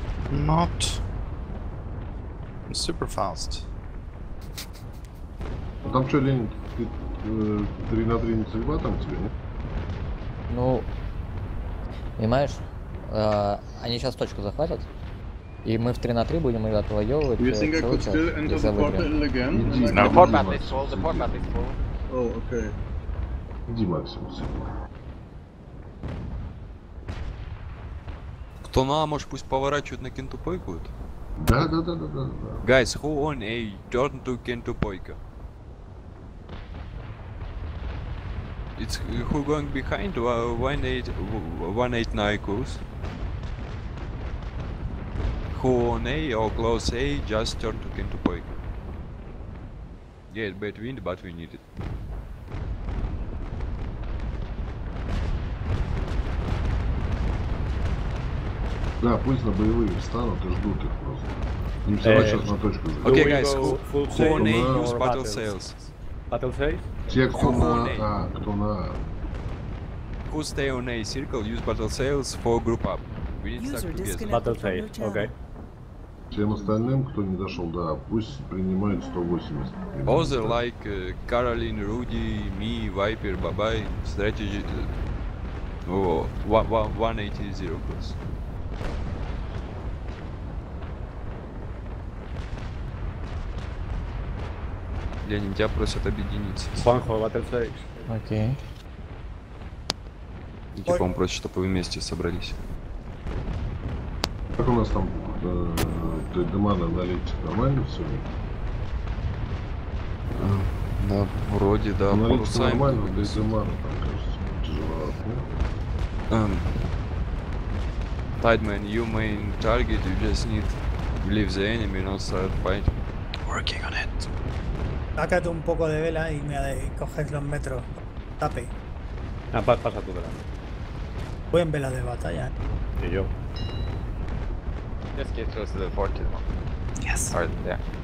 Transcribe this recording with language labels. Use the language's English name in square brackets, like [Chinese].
[English] Not. Super fast. [Russian] А там что, Ленин, ты 3 на 3 не судьба там тебе, нет? Ну, понимаешь, они сейчас точку захватят. И мы в 3 на 3 будем ее отвоевывать. [English] You think I could still enter the port battle again? No, port battle is full, the port battle is full. Oh, okay. [Russian] Иди, Максимус. Кто на А, может, пусть поворачивает на кентупойку? Да. [English] Guys, who on A turn to кентупойка? It's who going behind? Why not 189 course? Who on A or close A just turn to Kento Poika. Yeah, bad wind, but we need it. [Russian] Да, пусть на боевые встанут и ждут их просто. Не все равно сейчас на точку ждут. [English] Okay, guys, who on A use battle sails? Battle sails? [Russian] Те, кто на A. А, кто на A. [English] Who stay on A circle, use battle sails for group up. We need stuck together. Battle sails, okay. [Russian] Всем остальным, кто не дошел, да, пусть принимают 180. [English] Other like Caroline, Rudy, me, Viper, Babai, strategy... Oh, 180 plus. [Russian] Ленин, тебя просят объединиться. [English] Банхо, what are you saying? [Russian] Окей. И типа он просит, чтобы вы вместе собрались. Как у нас там... Демана налить нормально все? Да, вроде да. Налить все нормально, без демана там, кажется, тяжеловато. [English] Tideman, you main target, you just need to leave the enemy and not start fighting. Working on it. [Spanish] Sácate un poco de vela y me coges los metros. Tape. Ah, pasa tu vela. Voy en vela de batalla. Y yo. [English] Just get close to the fort. Yes. Or, yeah.